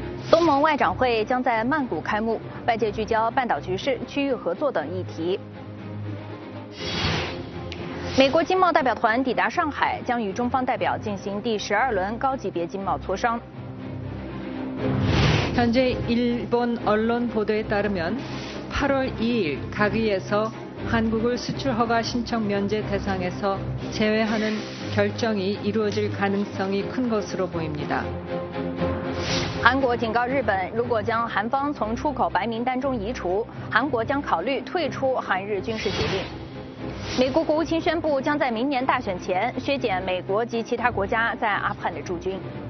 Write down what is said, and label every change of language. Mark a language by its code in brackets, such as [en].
[zh] 东盟外长会将在曼谷开幕，外界聚焦半岛局势、区域合作等议题。美国经贸代表团抵达上海，将与中方代表进行第十二轮高级别经贸磋商。 [ko] 현재일본언론보도에따르면8월2일각의에서한국을수출허가신청면제대상에서제외하는결정이이루어질가능성이큰것으로보입니다 [zh] 韩国警告日本，如果将韩方从出口白名单中移除，韩国将考虑退出韩日军事协定。美国国务卿宣布，将在明年大选前削减美国及其他国家在阿富汗的驻军。